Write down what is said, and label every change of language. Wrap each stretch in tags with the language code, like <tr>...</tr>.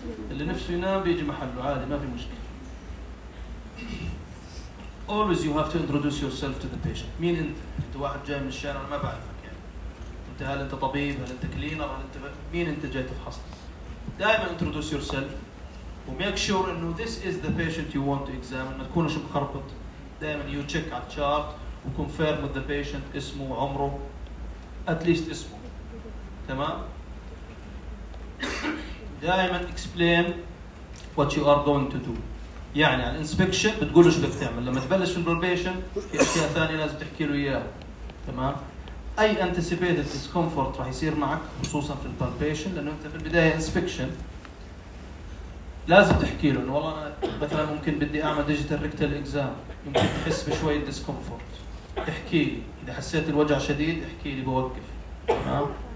<ar>اللي نفسه ينام بيجي محله عادي ما في مشكله.</ar> <en>Always you have to introduce yourself to the patient.</en> <ar>مين أنت؟ أنت واحد جاي من الشارع أنا ما بعرفك يعني. أنت هل أنت طبيب؟ هل أنت كلينر؟ هل أنت مين أنت جاي تفحص؟ دائما</ar> <en>introduce yourself</en> <ar>و</ar> <en>make sure</en> <ar>إنه</ar> <en>this is the patient you want to examine.</en> <ar>ما تكونش مخربط. دائما</ar> <en>you check على chart و confirm with the patient</en> <ar>اسمه وعمره.</ar> <en>At least</en> <ar>اسمه. تمام؟ دائما</ar> <en>explain what you are going to do.</en> <ar>يعني على الانسبكشن بتقول له شو بدك تعمل لما تبلش في البروبيشن في اشياء ثانيه لازم تحكي له اياها تمام. اي انتسيبيتد ديسكومفورت راح يصير معك خصوصا في البروبيشن لانه انت في البدايه انسبكشن لازم تحكي له انه والله انا مثلا ممكن بدي اعمل ديجيتال ريكتال اكزام ممكن تحس بشويه ديسكومفورت احكي لي اذا حسيت الوجع شديد احكي لي بوقف تمام.</ar>